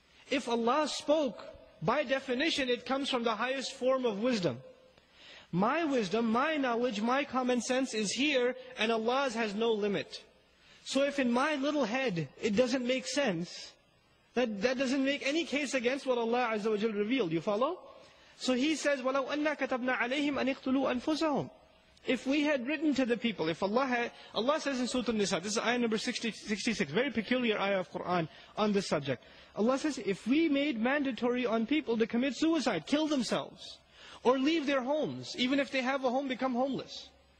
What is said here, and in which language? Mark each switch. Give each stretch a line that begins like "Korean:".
English: If Allah spoke, by definition, it comes from the highest form of wisdom. My wisdom, my knowledge, my common sense is here, and Allah's has no limit. So if in my little head it doesn't make sense, that doesn't make any case against what Allah Azza wa Jalla revealed. You follow? So he says,
Arabic: وَلَوْ أَنَّا كَتَبْنَا عَلَيْهِمْ أَنْ اِقْتُلُوا أَنفُسَهُمْ.
English: If we had written to the people, if Allah had, Allah says in Surah An-Nisa, this is ayah number 66, very peculiar ayah of Quran on this subject. Allah says, if we made mandatory on people to commit suicide, kill themselves, or leave their homes, even if they have a home, become homeless.